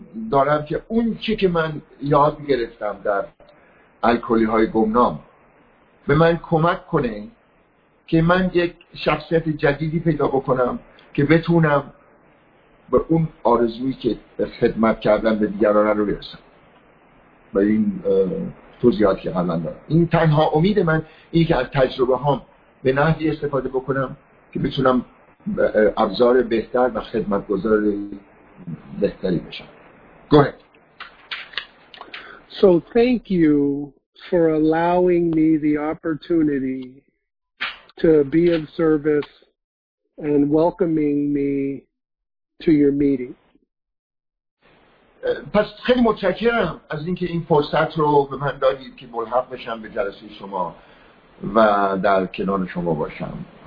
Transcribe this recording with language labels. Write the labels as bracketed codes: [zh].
[fa] دارم که اون چی که من یاد گرفتم در الکلی های گمنام به من کمک کنه که من یک شخصیت جدیدی پیدا بکنم که بتونم به اون آرزویی که خدمت کردم به دیگران رو برسم. و این توضیحاتی که قبلا دارم، این تنها امید من این که از تجربه هام به نحوی استفاده بکنم که بتونم ابزار بهتر و خدمتگزار بهتری بشم. [en] Go ahead. So thank you for allowing me the opportunity to be of service and welcoming me to your meeting. [fa] پس خیلی متشکرم از اینکه این فرصت رو به من دادید که ملحق بشم به جلسه شما و در کنار شما باشم.